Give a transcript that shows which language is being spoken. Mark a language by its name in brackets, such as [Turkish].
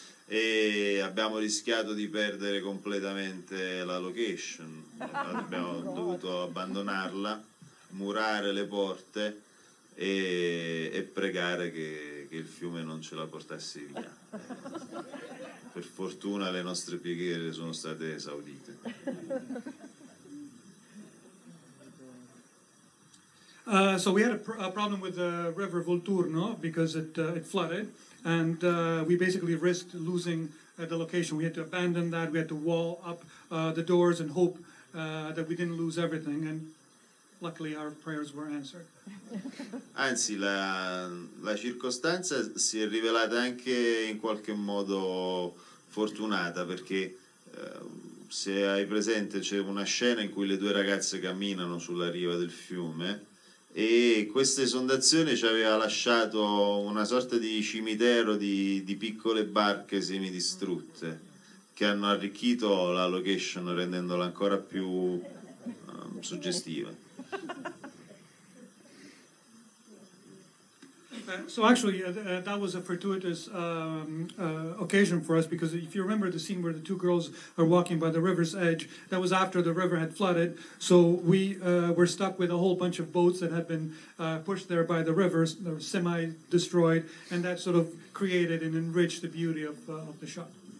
[Italian] E abbiamo rischiato di perdere completamente la location, abbiamo dovuto abbandonarla, murare le porte e pregare che il fiume non ce la portasse via. Per fortuna le nostre preghiere sono state esaudite. [English] So we had a problem with the river Volturno because it flooded. And we basically risked losing the location. We had to abandon that. We had to wall up the doors and hope that we didn't lose everything. And luckily, our prayers were answered. [Italian] Anzi, la circostanza si è rivelata anche in qualche modo fortunata, perché se hai presente, c'è una scena in cui le due ragazze camminano sulla riva del fiume. E questa esondazione ci aveva lasciato una sorta di cimitero di piccole barche semidistrutte che hanno arricchito la location rendendola ancora più suggestiva. [English] So actually that was a fortuitous occasion for us, because if you remember the scene where the two girls are walking by the river's edge, that was after the river had flooded, so we were stuck with a whole bunch of boats that had been pushed there by the river, semi-destroyed, and that sort of created and enriched the beauty of the shot.